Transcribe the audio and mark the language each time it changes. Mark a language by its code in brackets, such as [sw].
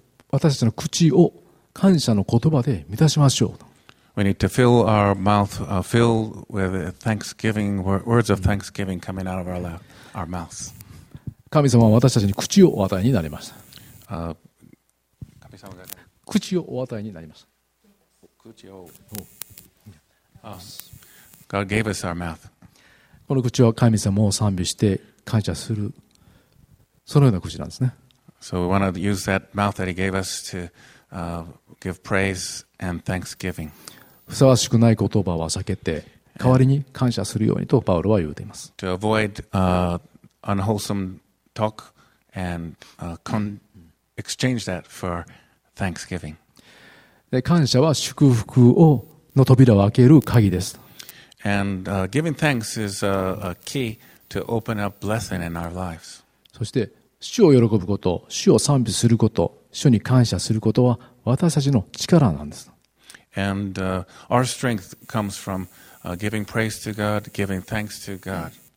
[ja] 私たちの口を感謝の言葉で満たしましょう。 [en] We need to fill our mouth, fill with thanksgiving, words of thanksgiving coming out of our mouth. [ja] 神様は私たちに口をお与えになりました。口をお与えになりました。口を。 [en] God gave us our mouth. [ja] この口は神様を賛美して感謝するそのような口なんですね。 [en] So we want to use that mouth that He gave us to give praise and thanksgiving. [ja] ふさわしくない言葉は避けて代わりに感謝するようにとパウロは言っています。 [en] To avoid unwholesome talk and exchange that for thanksgiving. [ja] で、感謝は祝福をの扉を開ける鍵です。 [en] And, giving thanks is a key to open up blessing in our lives. [ja] そして主を喜ぶこと、主を賛美すること、主に感謝することは私たちの力なんです。 [en] And, our strength comes from, giving praise to God, giving thanks to God.